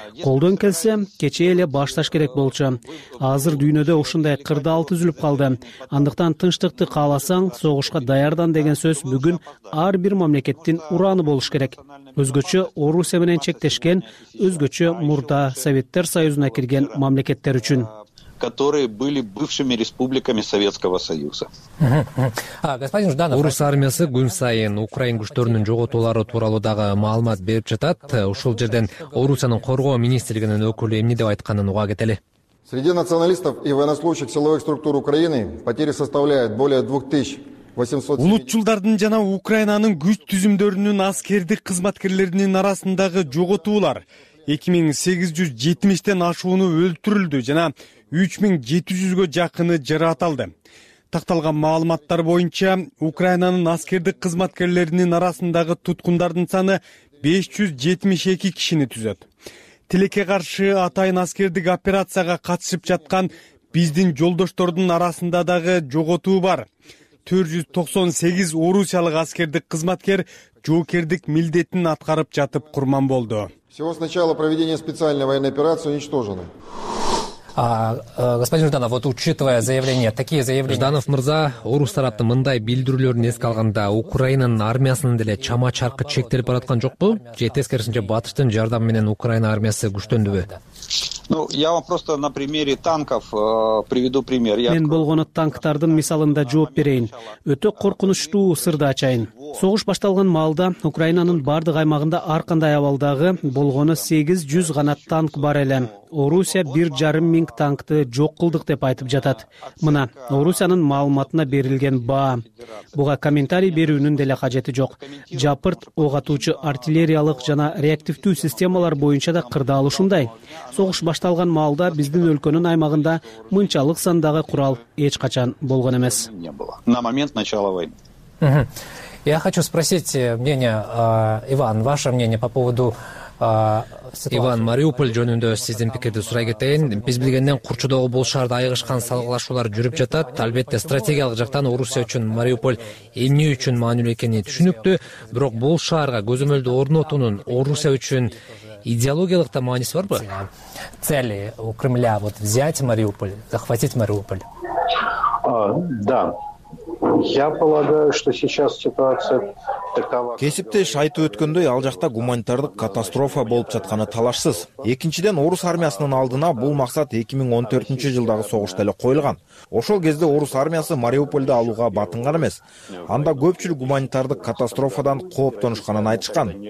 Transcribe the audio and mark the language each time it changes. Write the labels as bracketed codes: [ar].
[ky] Колдон келсе кечээ эле башташ керек болчу. Азыр дүйнөдө ушундай кырдаал түзүлүп калды. Андыктан тынчтыкты кааласаң согушка даярдан деген сөз бүгүн ар бир мамлекеттин ураны болуш керек. Өзгөчө Орусия менен чектешкен, өзгөчө мурда Советтер Союзуна кирген мамлекеттер үчүн, [ru] которые были бывшими республиками Советского Союза. Господин Жданов, [ky] орус армиясы күн сайын украин күчтөрүнүн жоготуулары тууралуу дагы маалымат берип жатат. Ушул жерден Орусиянын коргоо министрлигинин өкүлү эмне деп айтканын уга кетели. [ru] Среди националистов и военнослужащих силовых структур Украины потери составляют более 2800. [ky] Улутчулдардын жана Украинанын күч түзүмдөрүнүн аскердик кызматкерлеринин арасындагы жоготуулар 2870 ашууну өлтүрүлдү жана 3700 жакыны жараталды. Такталган маалыматтар боюнча Украинанын аскердик кызматкерлеринин арасындагы туткундардын саны 572 кишини түзөт. Тилекке каршы атайын аскердик операцияга катышып жаткан биздин жолдоштордун арасында дагы жоготуу бар. 498 орусиялык аскердик кызматкер жоокердик милдетин аткарып жатып курман болду. [ru] Всего с начала проведения специальной военной операции уничтожены. Господин Жданов, вот учитывая заявления, такие заявления... [ky] Жданов мырза, орус тараптын мындай билдирүүлөрүн эске алганда, Украинанын армиясынын деле чама чаркы чектелип бараткан жокпу? Же тескерисинче батыштын жардамы менен Украина армиясы күчтөндүбү? [ru] Ну, я вам просто на примере танков приведу пример. [ky] Мен болгону танктардын мисалында жооп берейин. Өтө коркунучтуу сырды ачайын. Согуш башталган маалда Украинанын бардык аймагында ар кандай абалдагы болгону 800 гана танк бар эле. Орусия 1,5 миң танкты жок кылдык деп айтып жатат. Мына Орусиянын маалыматына берилген баа. Буга комментарий берүүнүн деле кажети жок. Жапырт ок атуучу артиллериялык жана реактивдүү системалар боюнча да кырдаал ушундай. Согуш башталган маалда биздин өлкөнүн аймагында мынчалык сандагы курал эч качан болгон эмес. [ru] На момент начала войны. Я хочу спросить мнение, Иван, ваше мнение по поводу ситуации. [ky] Иван, Мариуполь жөнүндө сиздин пикирди сурай кетейин. Биз билгенден курчудогу бул шаарда айгышкан салгылашуулар жүрүп жатат. Албетте, стратегиялык жактан Орусия үчүн Мариуполь эмне үчүн маанилүү экени түшүнүктүү, бирок бул шаарга көзөмөлдү орнотуунун Орусия үчүн идеологиялык да мааниси барбы? [ru] Цели у Кремля вот взять Мариуполь, захватить Мариуполь. Да. Я полагаю, что сейчас ситуация такова. [ky] Кесиптеш айтып өткөндөй, ал жакта гуманитардык катастрофа болуп жатканы талашсыз. Экинчиден, орус армиясынын алдына бул максат 2014 жылдагы согушта эле коюлган. Ошол кезде орус армиясы Мариуполду алууга батынган эмес. Анда көпчүлүк гуманитардык катастрофадан кооптонушканын айтышкан.